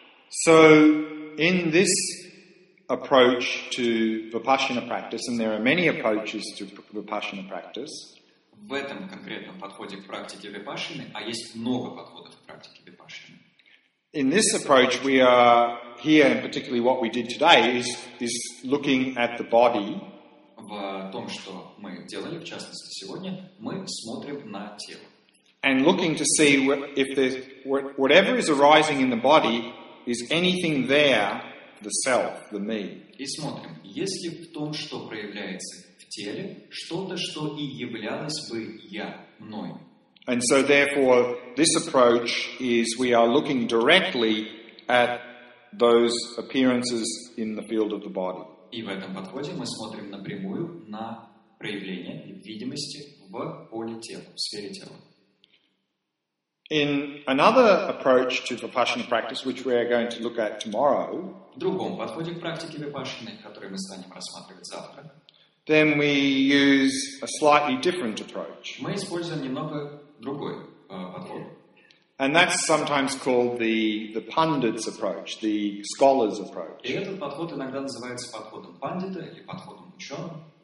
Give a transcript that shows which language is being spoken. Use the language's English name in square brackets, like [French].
[English] So, in this approach to Vipassana practice, and there are many approaches to Vipassana practice. [Russian] В этом конкретном подходе к практике Vipassana, а есть много подходов к практике Vipassana. [English] In this approach, we are here, and particularly what we did today is looking at the body. [Russian] В том, что мы делали, в частности сегодня, мы смотрим на тело. [English] And looking to see if there's whatever is arising in the body, is anything there, the self, the me. [Russian] И смотрим, есть ли в том, что проявляется в теле, что-то, что и являлось бы я, мной. [English] And so therefore, this approach is we are looking directly at those appearances in the field of the body. [Russian] И в этом подходе мы смотрим напрямую на проявление видимости в поле тела, в сфере тела. [English] In another approach to Vipassana practice, which we are going to look at tomorrow, [Russian] в другом подходе к практике Vipassana, который мы станем рассматривать завтра, [English] then we use a slightly different approach. [Russian] Мы используем немного другой подход. [English] And that's sometimes called the pundit's approach, the scholar's approach. [Russian] И этот подход иногда называется подходом пандита или подходом ученого.